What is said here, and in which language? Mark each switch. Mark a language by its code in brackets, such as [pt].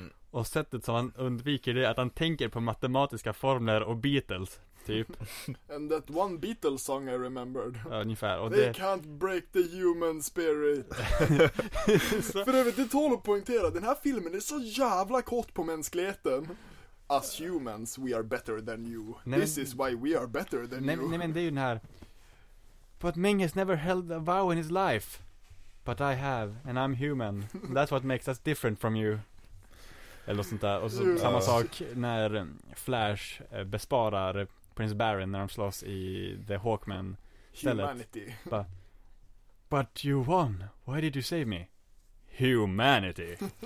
[sv] Och sättet som han undviker det är att han tänker på matematiska formler och Beatles typ. [en] And that one Beatles song I remembered. [sv] Ja, ungefär. Och [en] they [sv] det... [en] can't break the human spirit. [sv] För övrigt, det tål att poängtera, den här filmen är så jävla kort på mänskligheten. [en] Us humans, we are better than you. Nej, this is why we are better than you. [sv] Nej, men det är ju den här. [en] But Ming has never held a vow in his life. But I have, and I'm human. That's what makes us different from you. [sv] Eller sånt där. Och så samma sak när Flash besparar Prince Baron när de slåss i The Hawkman. [en] Humanity. But you won. Why did you save me? Humanity.